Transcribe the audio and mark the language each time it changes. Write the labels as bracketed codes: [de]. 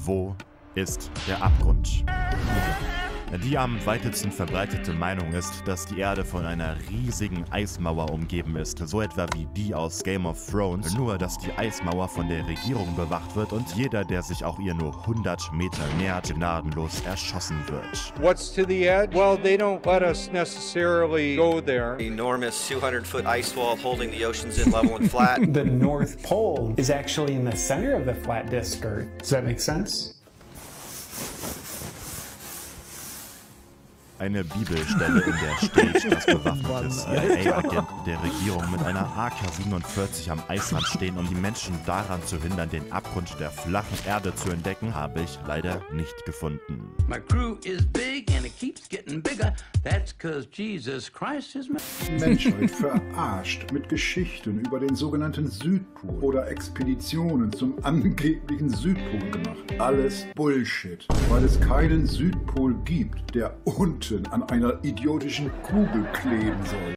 [de] Wo ist der Abgrund? Die am weitesten verbreitete Meinung ist, dass die Erde von einer riesigen Eismauer umgeben ist, so etwa wie die aus Game of Thrones, nur dass die Eismauer von der Regierung bewacht wird und jeder, der sich auch ihr nur 100 Meter nähert, gnadenlos erschossen wird. [en] What's to the edge? Well, they don't let us necessarily go there. Enormous 200-foot ice wall holding the oceans in level and flat. The North Pole is actually in the center of the flat disk Earth. Does that make sense? [de] Eine Bibelstelle, in der steht, dass bewaffnete CIA-Agenten der Regierung mit einer AK-47 am Eisrand stehen, um die Menschen daran zu hindern, den Abgrund der flachen Erde zu entdecken, habe ich leider nicht gefunden. [en] My crew is big and it keeps getting bigger. That's cause Jesus Christ is my... [de] Menschheit verarscht mit Geschichten über den sogenannten Südpol oder Expeditionen zum angeblichen Südpol gemacht. Alles Bullshit, weil es keinen Südpol gibt, der un an einer idiotischen Kugel kleben soll.